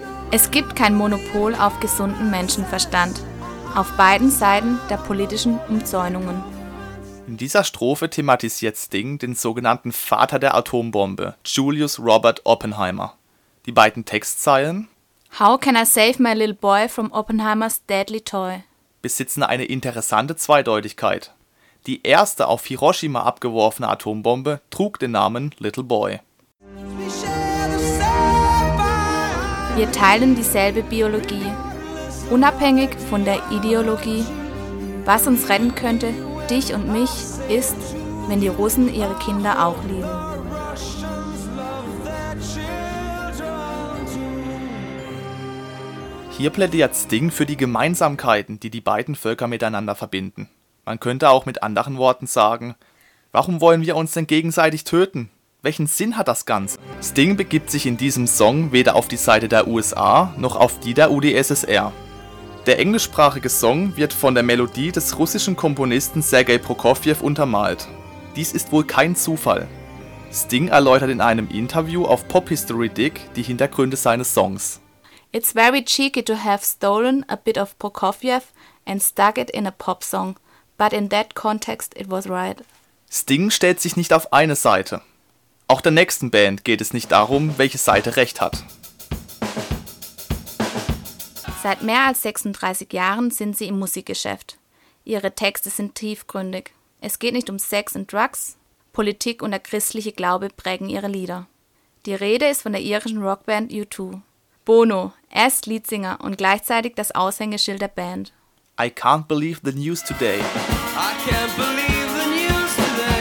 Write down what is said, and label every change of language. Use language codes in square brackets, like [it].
[de] Es gibt kein Monopol auf gesunden Menschenverstand, auf beiden Seiten der politischen Umzäunungen. In dieser Strophe thematisiert Sting den sogenannten Vater der Atombombe, Julius Robert Oppenheimer. Die beiden Textzeilen [en] How can I save my little boy from Oppenheimer's deadly toy? [de] Besitzen eine interessante Zweideutigkeit. Die erste auf Hiroshima abgeworfene Atombombe trug den Namen Little Boy. Wir teilen dieselbe Biologie, unabhängig von der Ideologie. Was uns retten könnte, dich und mich, ist, wenn die Russen ihre Kinder auch lieben. Hier plädiert Sting für die Gemeinsamkeiten, die beiden Völker miteinander verbinden. Man könnte auch mit anderen Worten sagen, warum wollen wir uns denn gegenseitig töten? Welchen Sinn hat das Ganze? Sting begibt sich in diesem Song weder auf die Seite der USA noch auf die der UdSSR. Der englischsprachige Song wird von der Melodie des russischen Komponisten Sergei Prokofjew untermalt. Dies ist wohl kein Zufall. Sting erläutert in einem Interview auf Pop History Dig die Hintergründe seines Songs. [en] It's very cheeky to have stolen a bit of Prokofjew and stuck it in a pop song. But in that context it was right. [de] Sting stellt sich nicht auf eine Seite. Auch der nächsten Band geht es nicht darum, welche Seite recht hat. Seit mehr als 36 Jahren sind sie im Musikgeschäft. Ihre Texte sind tiefgründig. Es geht nicht um Sex und Drugs. Politik und der christliche Glaube prägen ihre Lieder. Die Rede ist von der irischen Rockband U2. Bono, er ist Leadsinger und gleichzeitig das Aushängeschild der Band. [en] I can't believe the news today. I can't believe the news today.